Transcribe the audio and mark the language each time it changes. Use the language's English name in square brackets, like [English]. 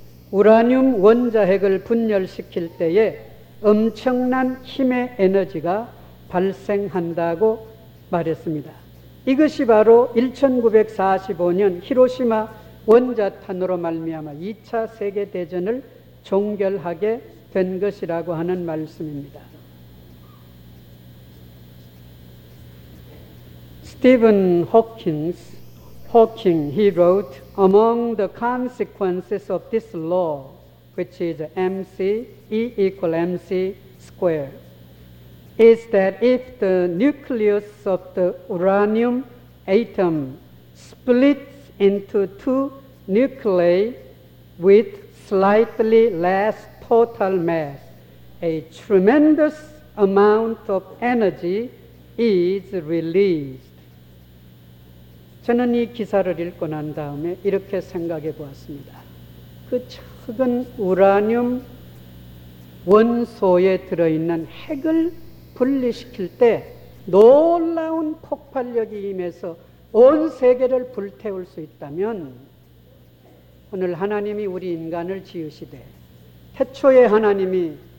[Korean] 우라늄 원자 핵을 분열시킬 때에 엄청난 힘의 에너지가 발생한다고 말했습니다. 이것이 바로 1945년 히로시마 원자탄으로 말미암아 2차 세계대전을 종결하게 된 것이라고 하는 말씀입니다. 스티븐 호킹, [English] he wrote, among the consequences of this law, which is MC, E equal MC square, is that if the nucleus of the uranium atom splits into two nuclei with slightly less total mass, a tremendous amount of energy is released. [Korean] 저는 이 기사를 읽고 난 다음에 이렇게 생각해 보았습니다. 그건 우라늄 원소에 들어있는 핵을 분리시킬 때 놀라운 폭발력이 임해서 온 세계를 불태울 수 있다면 오늘 하나님이 우리 인간을 지으시되 태초에 하나님이